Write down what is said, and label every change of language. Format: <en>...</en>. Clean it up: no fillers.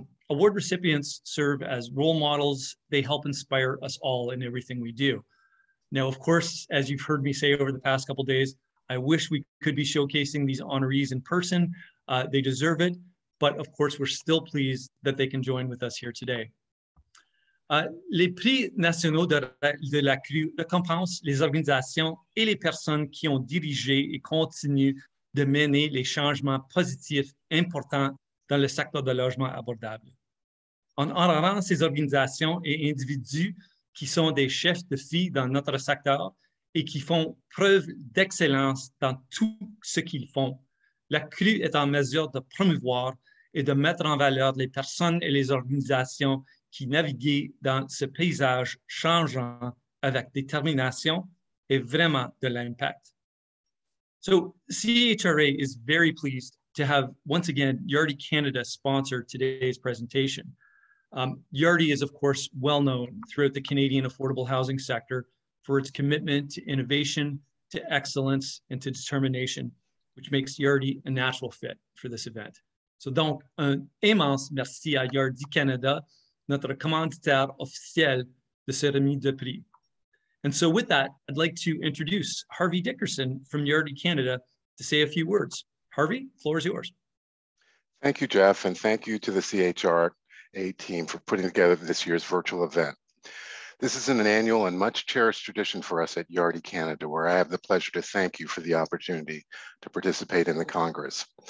<en>Award recipients serve as role models. They help inspire us all in everything we do. Now, of course, as you've heard me say over the past couple of days, I wish we could be showcasing these honorees in person. They deserve it, but of course, we're still pleased that they can join with us here today.</en> <fr>Les prix nationaux de la CRU récompensent les organisations et les personnes qui ont dirigé et continuent de mener les changements positifs importants dans le secteur de logement abordable. En honorant ces organisations et individus qui sont des chefs de file dans notre secteur et qui font preuve d'excellence dans tout ce qu'ils font, la CRU est en mesure de promouvoir et de mettre en valeur les personnes et les organisations qui naviguent dans ce paysage changeant avec détermination et vraiment de l'impact.</fr> <en>So, CHRA is very pleased to have, once again, Yardi Canada sponsor today's presentation. Yardi is, of course, well known throughout the Canadian affordable housing sector for its commitment to innovation, to excellence, and to determination, which makes Yardi a natural fit for this event.</en> <fr>So, donc, un immense merci à Yardi Canada, notre commanditaire officiel de cérémonie de prix.</fr> <en>And so with that, I'd like to introduce Harvey Dickerson from Yardi Canada to say a few words. Harvey, floor is yours. Thank you, Jeff, and thank you to the CHRA team for putting together this year's virtual event. This is an annual and much cherished tradition for us at Yardi Canada, where I have the pleasure to thank you for the opportunity to participate in the Congress.</en>